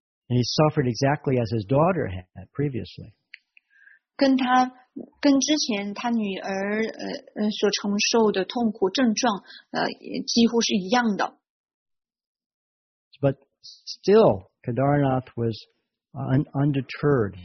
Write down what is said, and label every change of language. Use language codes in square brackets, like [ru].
[en] And he suffered exactly as his daughter had previously. [zh] 跟之前他女儿所承受的痛苦症状几乎是一样的。 [en] But still, Kedarnath was undeterred.